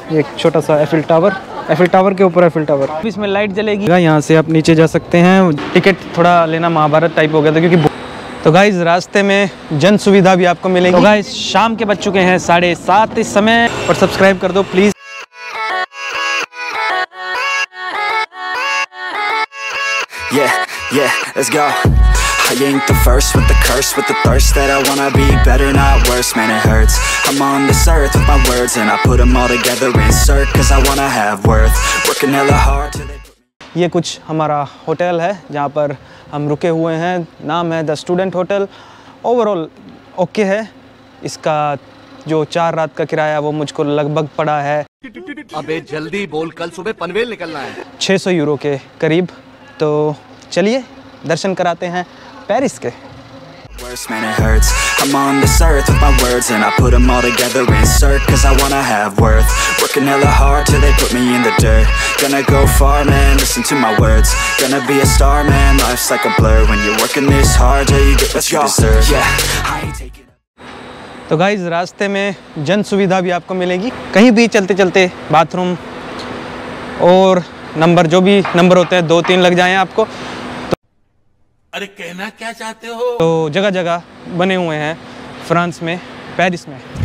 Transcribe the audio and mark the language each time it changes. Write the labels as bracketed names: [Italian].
[Hindi] एक छोटा सा एफिल टावर, एफिल टावर के ऊपर एफिल टावर, इसमें लाइट जलेगी। यहाँ से आप नीचे जा सकते हैं, टिकट थोड़ा लेना, महाभारत टाइप हो गया था क्योंकि। तो गाइज रास्ते में जन सुविधा भी आपको मिलेगी। तो गाइज शाम के बज चुके हैं 7:30 इस समय, और सब्सक्राइब कर दो please. [English] I ain't the first with the curse, with the thirst that I wanna be better, not worse. Man, it hurts. I'm on this earth with my words, and I put them all together, insert, 'cause I wanna have worth. Working hella hard till they put me. [Hindi] ये कुछ हमारा hotel है जहाँ पर हम रुके हुए हैं, नाम है the student hotel. Overall okay है, इसका जो 4 रात का किराया वो मुझको लगभग पड़ा है। अबे जल्दी बोल, कल सुबह पनवेल निकलना है। 600 यूरो के करीब। तो चलिए दर्शन कराते हैं पेरिस के। [English] Worst man it hurts. I'm on this earth with my words, and I put them all together, insert, 'cause I wanna have worth. Working hella hard till they put me in the dirt. Gonna go far, man, listen to my words. Gonna be a star, man, life's like a blur. When you're working this hard till you get what you deserve. Yeah, I take it. [Hindi] तो guys रास्ते में जन सुविधा भी आपको मिलेगी, कहीं भी चलते चलते बाथरूम और नंबर, जो भी नंबर होते हैं 2-3 लग जाएं आपको। अरे कहना क्या चाहते हो। तो जगह जगह बने हुए हैं फ्रांस में, पेरिस में।